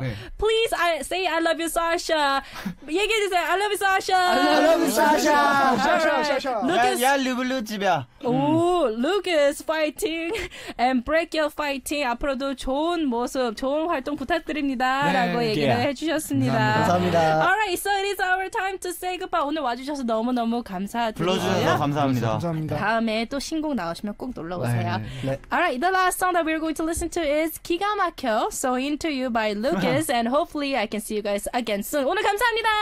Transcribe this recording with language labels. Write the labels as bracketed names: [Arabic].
[English] 네. Please say I love you, Sasha. [Korean] 얘기해주세요. [English] I love you, Sasha. I love you, Sasha. Sasha. Lucas, yeah, Lulu, Lulu, 집이야. Lucas, fighting and break your fighting. [Korean] 앞으로도 좋은 모습, 좋은 활동 부탁드립니다.라고 네, 얘기를 yeah. 해주셨습니다. 감사합니다. [English] Alright, so it is our time to say goodbye. [Korean] 오늘 와주셔서 너무 너무 감사드립니다. 불러주셔서 감사합니다. 감사합니다. 다음에 또 신곡 나오시면 꼭 놀러 오세요. 네. [English] Alright, the last song that we're going to listen to is 기가 막혀. So into you by Lucas, and hopefully I can see you guys again soon. [Korean] 오늘 감사합니다.